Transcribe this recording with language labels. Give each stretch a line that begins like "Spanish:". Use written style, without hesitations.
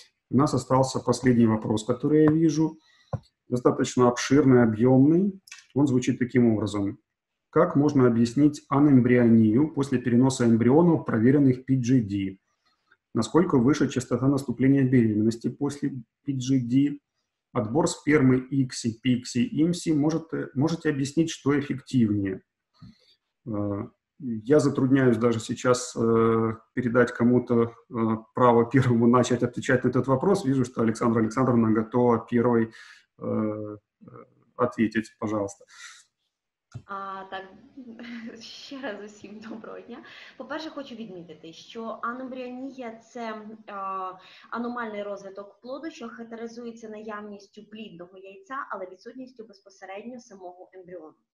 Russian: У нас остался последний вопрос, который я вижу, достаточно обширный, объемный. Он звучит таким образом. Как можно объяснить анэмбрионию после переноса эмбрионов, проверенных PGD? Насколько выше частота наступления беременности после PGD? Отбор спермы ICSI, PICSI, IMSI можете объяснить, что эффективнее? Я затрудняюсь даже сейчас передать кому-то право первому начать отвечать на этот вопрос. Вижу, что Александра Александровна готова первой ответить. Пожалуйста.
Ukrainian: Так, ще раз усім доброго дня. По-перше, хочу відмітити, що анембріонія – це аномальний розвиток плоду, що характеризується наявністю плідного яйця, але відсутністю безпосередньо самого ембріону.